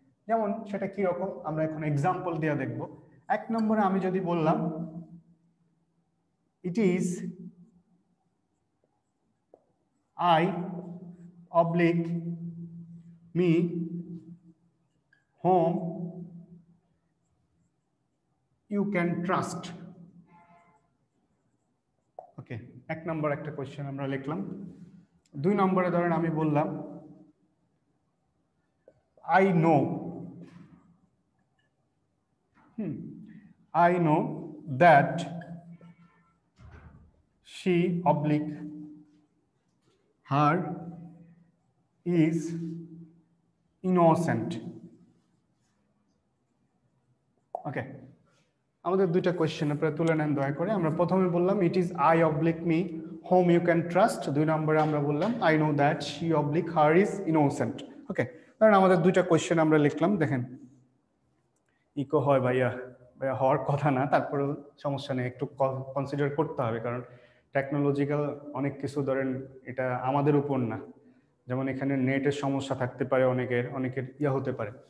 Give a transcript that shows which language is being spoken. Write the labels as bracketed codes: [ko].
[bn] যেমন সেটা কীরকম আমরা এখন এক্সাম্পল দিয়ে দেখব। এক নম্বরে আমি যদি বললাম [en] It is I oblique me home you can trust. [bn] ওকে, এক নম্বর একটা কোয়েশ্চেন আমরা লিখলাম। দুই নম্বরে ধরেন আমি বললাম [en] I know, I know that she oblique her is innocent. Okay. [bn] আমাদের দুইটা কোয়েশ্চেন আপনারা তুলে নেন দয়া করে। আমরা প্রথমে বললাম [en] It is I oblique me whom you can trust. [bn] দুই নম্বরে আমরা বললাম [en] I know that she oblique her is innocent. [bn] ওকে, ধরেন আমাদের দুইটা কোয়েশ্চেন আমরা লিখলাম, দেখেন ইকো হয় ভাইয়া, হওয়ার কথা না, তারপরেও সমস্যা নেই, একটু কনসিডার করতে হবে, কারণ টেকনোলজিক্যাল অনেক কিছু ধরেন এটা আমাদের উপর না, যেমন এখানে নেটের সমস্যা থাকতে পারে অনেকের, অনেকের ইয়া হতে পারে।